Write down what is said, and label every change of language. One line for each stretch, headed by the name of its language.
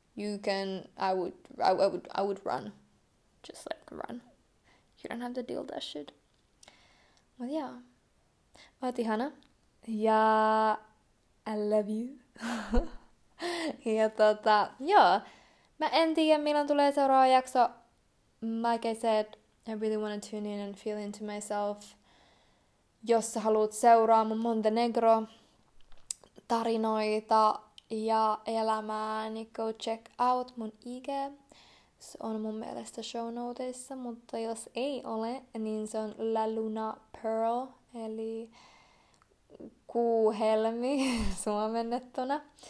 English: You can, I would run. Just like run. You don't have to deal that shit.
Finnish: Mut joo. Oot ihana.
English: Ja I love you.
Finnish: Ja joo. Mä en tiedä, milloin tulee seuraava jakso.
English: Like I said, I really want to tune in and feel into myself.
Finnish: Jos sä haluut seuraa mun Montenegro-tarinoita ja elämää, niin
English: go check out
Finnish: mun IG. Se on mun mielestä show noteissa, mutta jos ei ole, niin se on La Luna Pearl, eli kuuhelmi suomennettuna.